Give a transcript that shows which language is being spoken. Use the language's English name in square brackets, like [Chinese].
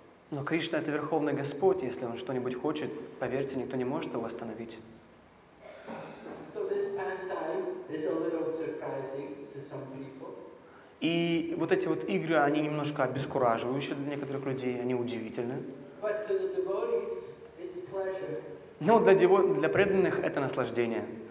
[Russian] Но Кришна — это Верховный Господь. Если Он что-нибудь хочет, поверьте, никто не может его остановить. [English] So this pastime is a little surprising to some people. [Russian] И вот эти вот игры, они немножко обескураживающие для некоторых людей, они удивительны. [English] But to the devotees, it's pleasure. [Russian] Но для преданных это наслаждение.